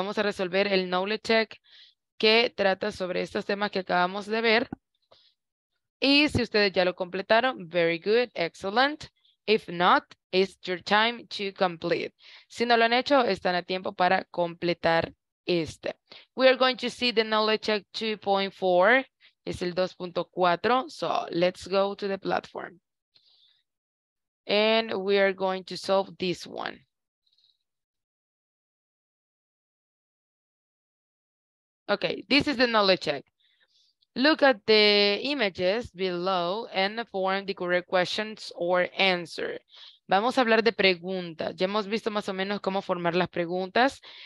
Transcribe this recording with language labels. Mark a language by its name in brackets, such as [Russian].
[Spanish] Vamos a resolver el knowledge check que trata sobre estos temas que acabamos de ver. Y si ustedes ya lo completaron, [English] very good, excellent. If not, it's your time to complete. [Spanish] Si no lo han hecho, están a tiempo para completar este. [English] We are going to see the knowledge check 2.4. [Spanish] Es el 2.4. [English] So let's go to the platform. And we are going to solve this one. Okay, this is the knowledge check. Look at the images below and form the correct questions or answer. [Spanish] Vamos a hablar de preguntas. Ya hemos visto más o menos cómo formar las preguntas.